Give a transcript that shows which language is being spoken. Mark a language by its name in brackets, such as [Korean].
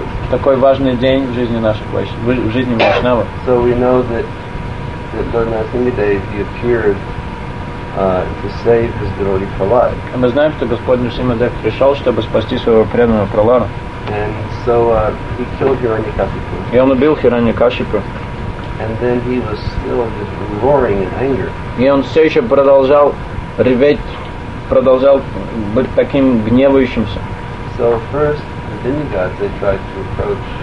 [Russian] Такой важный день в жизни наших в жизни Вайшнава. [English] So we know that Lord Narasimhadev, he appeared to save his devotee Prahlad. And we know that Lord Narasimhadev came to save his devotee Prahlad. And so he killed Hiranyakashipu. [Russian] И он убил Хираньякашипу. [English] And then he was still just roaring in anger. [Russian] И он все еще продолжал реветь, продолжал быть таким гневающимся. [English] So first the demigods they tried to approach.